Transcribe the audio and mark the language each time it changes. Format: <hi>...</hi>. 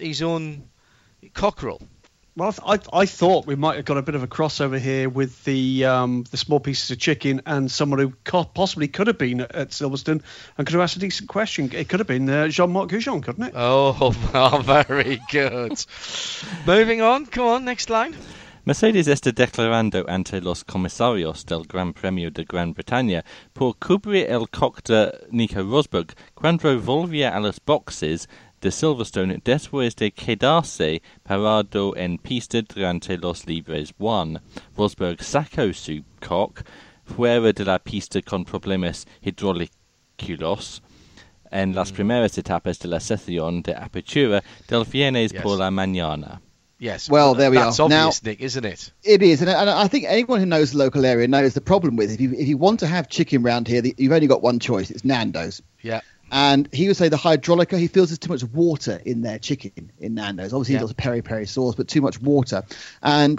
<en>His own cockerel. Well, I thought we might have got a bit of a crossover here with the small pieces of chicken and someone who possibly could have been at Silverstone and could have asked a decent question. It could have been Jean-Marc Goujon, couldn't it? Oh, very good. Moving on. Come on, next line.</en> <es>Mercedes está declarando ante los comisarios del Gran Premio de Gran Bretaña por cubrir el coc de Nico Rosberg cuando volvía a las boxes de Silverstone después de quedarse parado en pista durante los libres 1. Rosberg sacó su coc fuera de la pista con problemas hidráulicos en las primeras etapas de la sesión de apertura del viernes por la mañana.</es> <en>Yes. Well, there we are. That's obvious, Nick, isn't it? It is. And I think anyone who knows the local area knows the problem with it. If you want to have chicken round here, you've only got one choice. It's Nando's. Yeah. And he would say the hydraulica, he feels there's too much water in their chicken in Nando's. Obviously, he's got a peri-peri sauce, but too much water. And</en>